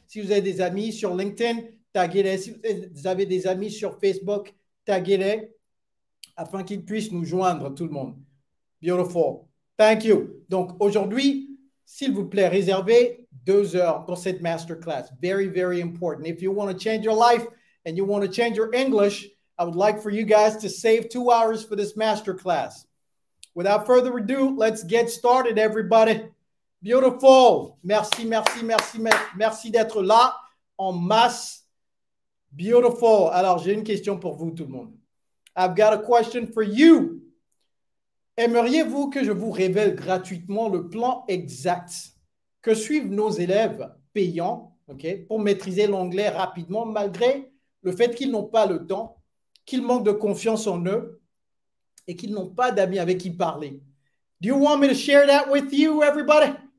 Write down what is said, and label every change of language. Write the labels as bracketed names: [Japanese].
[French] Si vous avez des amis sur LinkedIn, taguez-les. Si vous avez des amis sur Facebook, taguez-les afin qu'ils puissent nous joindre, tout le monde. [English] Beautiful. Thank you. [French] Donc, aujourd'hui, s'il vous plaît, réservez 2 heures pour cette masterclass. [English] Very, very important. If you want to change your life and you want to change your English, I would like for you guys to save 2 hours for this masterclass. Without further ado, let's get started, everybody. Beautiful. [French] Merci, merci, merci, merci d'être là en masse. Beautiful. Alors, j'ai une question pour vous, tout le monde. [English] I've got a question for you. [French] Aimeriez-vous que je vous révèle gratuitement le plan exact que suivent nos élèves payants, okay, pour maîtriser l'anglais rapidement malgré le fait qu'ils n'ont pas le temps, qu'ils manquent de confiance en eux? Et qu'ils n'ont pas d'amis avec qui parler. [English] Do you want me to share that with you, everybody?